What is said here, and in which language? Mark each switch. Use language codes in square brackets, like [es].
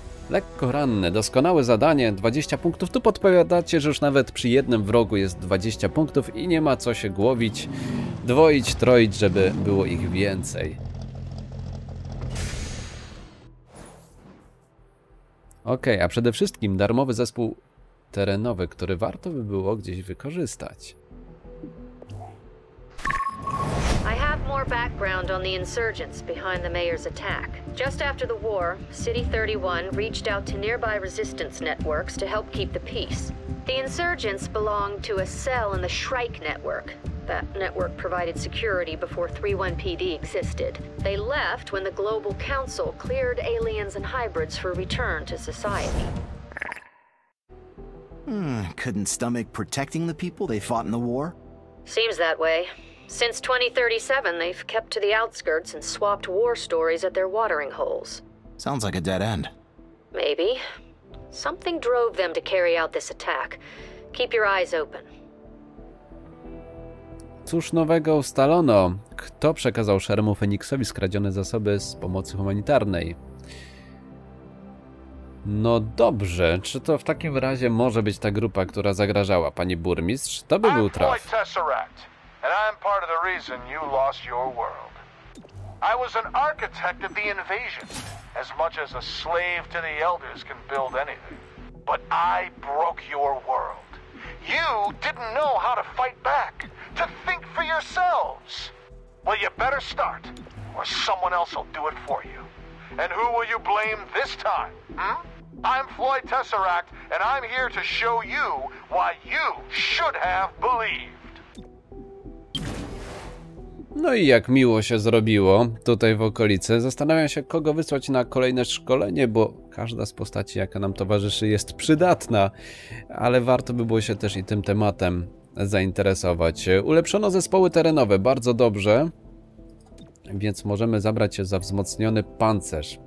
[pl] Lekko ranne, doskonałe zadanie, 20 punktów. Tu podpowiadacie, że już nawet przy jednym wrogu jest 20 punktów i nie ma co się głowić, dwoić, troić, żeby było ich więcej. Okej, a przede wszystkim darmowy zespół terenowy, który warto by było gdzieś wykorzystać. [en] More background on the insurgents behind the mayor's attack. Just after the war, City 31 reached out to nearby resistance networks to help keep the peace. The insurgents belonged to a cell in the Shrike network. That network provided security before 31 PD existed. They left when the Global Council cleared aliens and hybrids for return to society. Couldn't stomach protecting the people they fought in the war? Seems that way. Since 2037, they've kept to the outskirts and swapped war stories at their watering holes. Sounds like a dead end. Maybe. Something drove them to carry out this attack. Keep your eyes open. [pl] Cóż nowego ustalono? Kto przekazał Szeremu Feniksowi skradzione zasoby z pomocy humanitarnej? No dobrze, czy to w takim razie może być ta grupa, która zagrażała, panie burmistrz? To by był traf. [en] And I'm part of the reason you lost your world. I was an architect of the invasion, as much as a slave to the elders can build anything. But I broke your world. You didn't know how to fight back, to think for yourselves. Well, you better start, or someone else will do it for you. And who will you blame this time, I'm Floyd Tesseract, and I'm here to show you why you should have believed. [pl] No i jak miło się zrobiło tutaj w okolicy. Zastanawiam się, kogo wysłać na kolejne szkolenie, bo każda z postaci, jaka nam towarzyszy, jest przydatna. Ale warto by było się też i tym tematem zainteresować. Ulepszono zespoły terenowe, bardzo dobrze. Więc możemy zabrać się za wzmocniony pancerz.